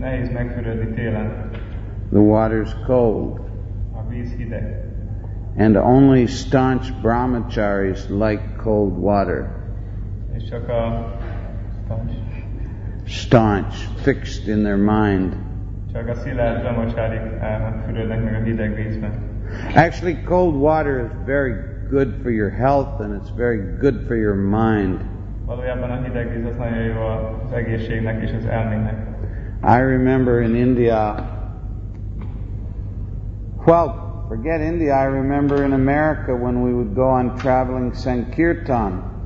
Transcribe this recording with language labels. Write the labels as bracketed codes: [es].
[en] The water's cold. [hu] A víz hideg. [en] And only staunch brahmacharis like cold water. [hu] És csak a staunch. [en] Staunch, fixed in their mind. [hu] Csak a szilárd brahmacharik fürödnek meg a hideg vízben. [en] Actually, cold water is very good for your health and it's very good for your mind. [hu] Valójában a hideg víz az nagyon jó az egészségnek és az elménynek. [en] I remember in India. Well, forget India, I remember in America when we would go on traveling Sankirtan.